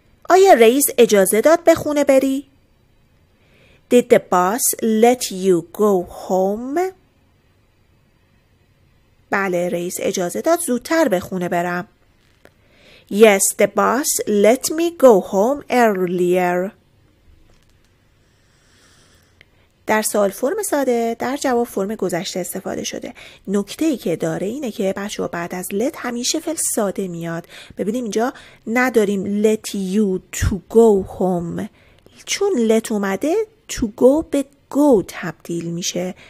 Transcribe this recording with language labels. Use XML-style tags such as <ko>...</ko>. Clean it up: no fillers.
<fa>آیا رئیس اجازه داد به خونه بری؟</fa> <en>Did the boss let you go home?</en> <fa>بله، رئیس اجازه داد زودتر به خونه برم.</fa> <en>Yes, the boss let me go home earlier.</en> <fa>در سوال فرم ساده، در جواب فرم گذشته استفاده شده. نکته ای که داره اینه که بچه ها بعد از let همیشه فعل ساده میاد. ببینیم اینجا نداریم</fa> <en>let you to go home.</en> <fa>چون let اومده to go به go تبدیل میشه.</fa>